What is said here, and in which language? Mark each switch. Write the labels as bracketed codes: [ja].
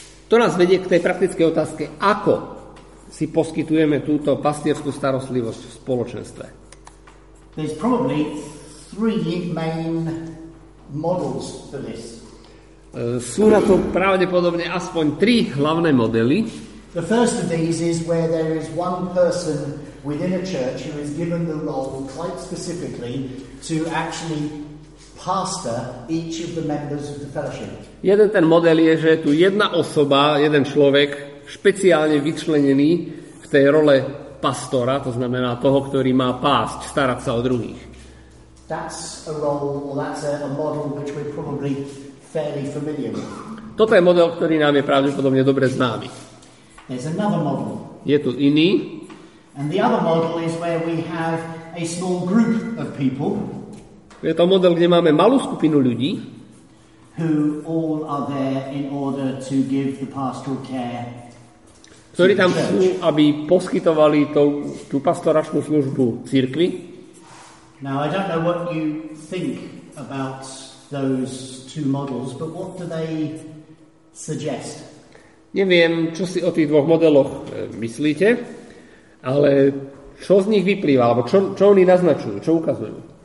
[sk] To nás vedie k tej praktickej otázke, ako si poskytujeme túto pastierskú starostlivosť v spoločenstve. [en] There's probably three main models for this. [sk] Sú na to pravdepodobne aspoň tri hlavné modely. [en] The first of these is where there is one person within a church who is given the role quite specifically to actually pastor each of the members of the fellowship. [sk] Jeden ten model je, že tu jedna osoba, jeden človek, špeciálne vyčlenený v tej role pastora, to znamená toho, ktorý má pásť, starať sa o druhých. [en] That's a role, or that's a model which we're probably fairly familiar with. [sk] Toto je model, ktorý nám je pravdepodobne dobre známy. [en] There's another model. [sk] Je tu iný. [en] And the other model is where we have a small group of people. [sk] Je to model, kde máme malú skupinu ľudí, [en] who all are there in order to give the pastoral care, [sk] ktorí tam sú, aby poskytovali tú pastoračnú službu cirkvi. [en] Now I don't know what you think about those two models, but what do they suggest? [sk] Neviem, čo si o tých dvoch modeloch myslíte, ale čo z nich vyplýva, alebo čo oni naznačujú, čo ukazujú?